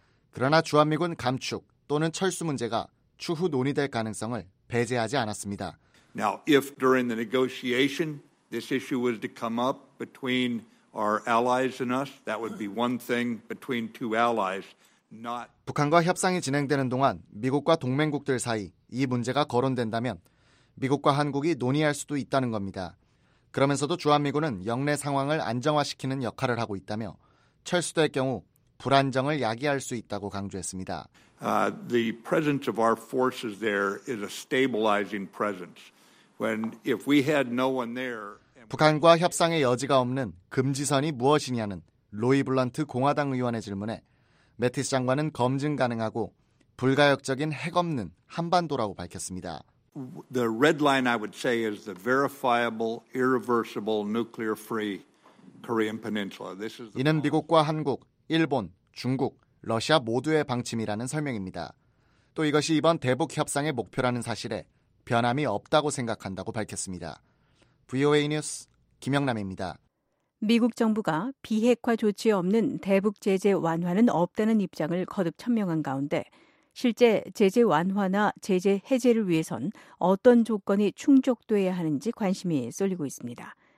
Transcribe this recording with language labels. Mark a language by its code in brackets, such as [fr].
[ko] 그러나 주한미군 감축 또는 철수 문제가 추후 논의될 가능성을 배제하지 않았습니다. [en] Now, if during the negotiation this issue was to come up between our allies and us, that would be one thing between two allies, not [ko] 북한과 협상이 진행되는 동안 미국과 동맹국들 사이 이 문제가 거론된다면 미국과 한국이 논의할 수도 있다는 겁니다. 그러면서도 주한미군은 영내 상황을 안정화시키는 역할을 하고 있다며 철수될 경우 불안정을 야기할 수 있다고 강조했습니다. [en] The presence of our forces there is a stabilizing presence. When if we had no one there, [ko] 북한과 협상의 여지가 없는 금지선이 무엇이냐는 로이 블런트 공화당 의원의 질문에 매티스 장관은 검증 가능하고 불가역적인 핵 없는 한반도라고 밝혔습니다. [en] The red line I would say is the verifiable, irreversible, nuclear-free Korean Peninsula. This is [ko] 이는 미국과 한국, 일본, 중국, 러시아 모두의 방침이라는 설명입니다. 또 이것이 이번 대북 협상의 목표라는 사실에 변함이 없다고 생각한다고 밝혔습니다. VOA 뉴스 김영남입니다. 미국 정부가 비핵화 조치 없는 대북 제재 완화는 없다는 입장을 거듭 천명한 가운데 실제 제재 완화나 제재 해제를 위해선 어떤 조건이 충족돼야 하는지 관심이 쏠리고 있습니다.